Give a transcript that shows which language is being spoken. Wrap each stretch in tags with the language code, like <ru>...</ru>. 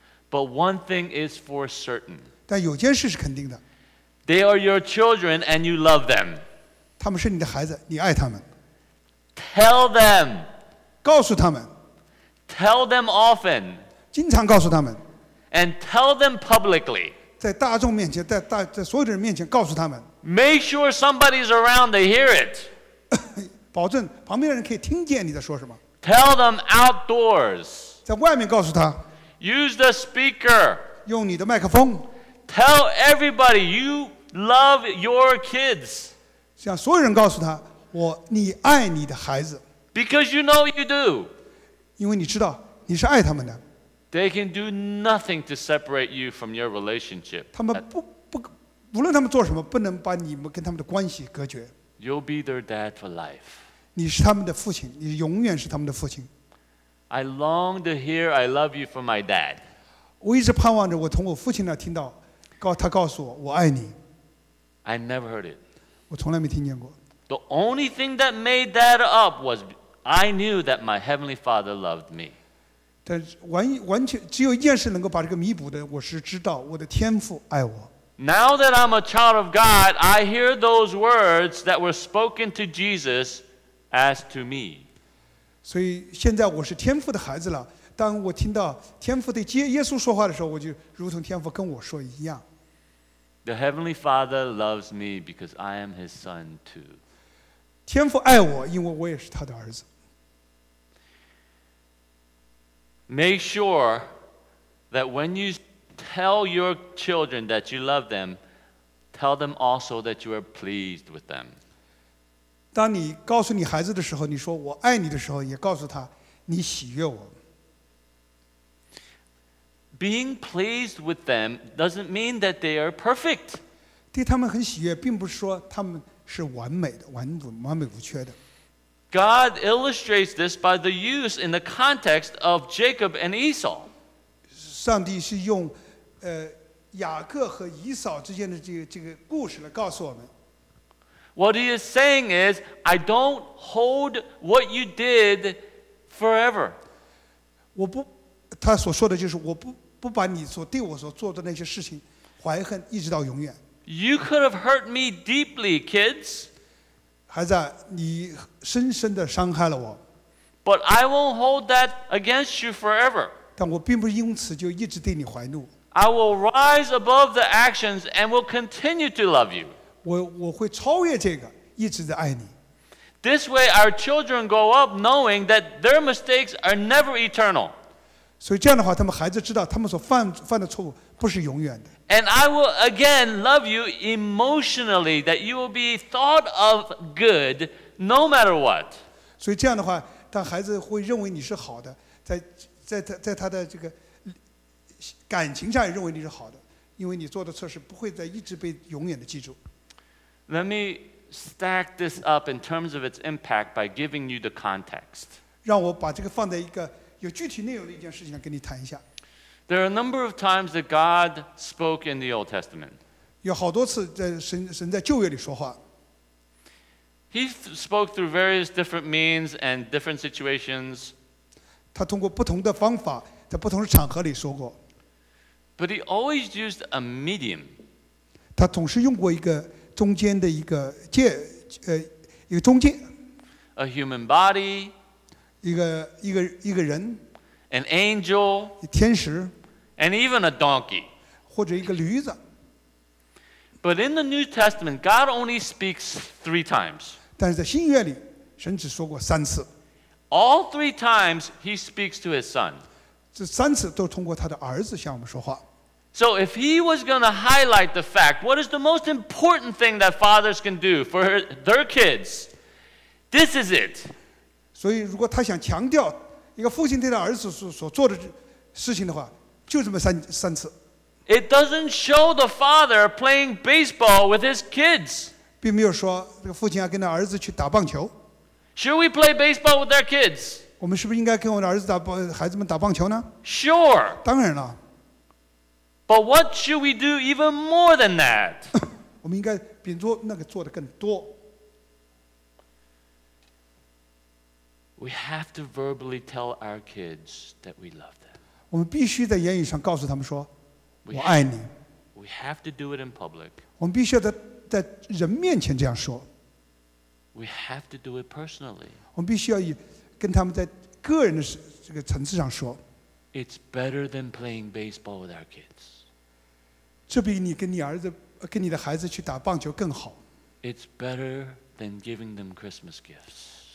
<en>But one thing is for certain.</en> <zh>但有件事是肯定的。</zh> <en>They are your children and you love them.</en> <zh>他们是你的孩子，你爱他们。</zh> <en>Tell them.</en> <zh>告诉他们。</zh> <en>Tell them often.</en> <zh>经常告诉他们。</zh> <en>And tell them publicly.</en> <zh>在大众面前，在所有的人面前告诉他们。</zh> <en>Make sure somebody's around to hear it.</en> <zh>保证旁边的人可以听见你在说什么。</zh> <en>Tell them outdoors.</en> <zh>在外面告诉他。</zh> <en>Use the speaker.</en> <zh>用你的麦克风。</zh> <en>Tell everybody you love your kids.</en> <zh>向所有人告诉他，我你爱你的孩子。</zh> <en>Because you know you do.</en> <zh>因为你知道你是爱他们的。</zh> <en>They can do nothing to separate you from your relationship.</en> <zh>他们无论他们做什么，不能把你们跟他们的关系隔绝。</zh> <en>You'll be their dad for life.</en> <zh>你是他们的父亲，你永远是他们的父亲。</zh> <en>I long to hear I love you from my dad.</en> <zh>我一直盼望着我从我父亲那听到，他告诉我我爱你。</zh> <en>I never heard it.</en> <zh>我从来没听见过。</zh> <en>The only thing that made that up was I knew that my heavenly father loved me.</en> <zh>但完全只有一件事能够把这个弥补的，我是知道我的天父爱我。</zh> <en>Now that I'm a child of God, I hear those words that were spoken to Jesus as to me.</en> <zh>所以现在我是天父的孩子了。当我听到天父对耶稣说话的时候，我就如同天父跟我说一样。</zh> <en>The Heavenly Father loves me because I am His son too.</en> <zh>天父爱我，因为我也是他的儿子。</zh> <en>Make sure that when you tell your children that you love them, tell them also that you are pleased with them.</en> <zh>当你告诉你孩子的时候，你说我爱你的时候，也告诉他你喜悦我。</zh> <en>Being pleased with them doesn't mean that they are perfect.</en> <zh>对他们很喜悦，并不是说他们是完美的，完美无缺的。</zh> <en>God illustrates this by the use in the context of Jacob and Esau.</en> <zh>上帝是用雅各和以扫之间的这个故事来告诉我们。</zh> <en>What he is saying is, I don't hold what you did forever.</en> <zh>他所说的就是我不把你所对我所做的那些事情怀恨一直到永远。</zh> <en>You could have hurt me deeply, kids.</en> <zh>孩子，你深深的伤害了我。</zh> <en>But I won't hold that against you forever.</en> <zh>但我并不因此就一直对你怀怒。</zh> <en>I will rise above the actions and will continue to love you.</en> <zh>我会超越这个，一直的爱你。</zh> <en>This way, our children grow up knowing that their mistakes are never eternal.</en> <zh>所以这样的话，他们孩子知道他们所犯的错误不是永远的。</zh> <en>And I will again love you emotionally, that you will be thought of good no matter what.</en> <zh>所以这样的话，他孩子会认为你是好的，在他的这个。感情上也认为你是好的，因为你做的错事不会再一直被永远的记住。</zh> <en>Let me stack this up in terms of its impact by giving you the context.</en> <zh>让我把这个放在一个有具体内容的一件事情上跟你谈一下。</zh> <en>There are a number of times that God spoke in the Old Testament.</en> <zh>有好多次在神在旧约里说话。</zh> <en>He spoke through various different means and different situations.</en> <zh>他通过不同的方法在不同的场合里说过。</zh> <en>But he always used a medium.</en> <zh>他总是用过一个中间的一个介一个中介。</zh> <en>A human body.</en> <zh>一个人。</zh> <en>An angel.</en> <zh>天使。</zh> <en>And even a donkey.</en> <zh>或者一个驴子。</zh> <en>But in the New Testament, God only speaks three times.</en> <zh>但是在新约里，神只说过三次。</zh> <en>All three times he speaks to his son.</en> <zh>这三次都通过他的儿子向我们说话。</zh> <en>So if he was going to highlight the fact, what is the most important thing that fathers can do for their kids? This is it.</en> <zh>所以如果他想强调一个父亲对他儿子所做的事情的话，就这么三次。</zh> <en>It doesn't show the father playing baseball with his kids.</en> <zh>并没有说这个父亲要跟他儿子去打棒球。</zh> <en>Should we play baseball with their kids?</en> <zh>我们是不是应该跟我的儿子打孩子们打棒球呢？</zh> <en>Sure.</en> <zh>当然了。</zh> <en>But what should we do even more than that?</en> <zh>我们应该比做那个做的更多。</zh> <en>We have to verbally tell our kids that we love them.</en> <zh>我们必须在言语上告诉他们说，我爱你。</zh> <en>We have to do it in public.</en> <zh>我们必须要在人面前这样说。</zh> <en>We have to do it personally.</en> <zh>我们必须要跟他们在个人的这个层次上说。</zh> <en>It's better than playing baseball with our kids.</en> <zh>这比你跟你儿子跟你的孩子去打棒球更好。</zh> <en>It's better than giving them Christmas gifts.</en>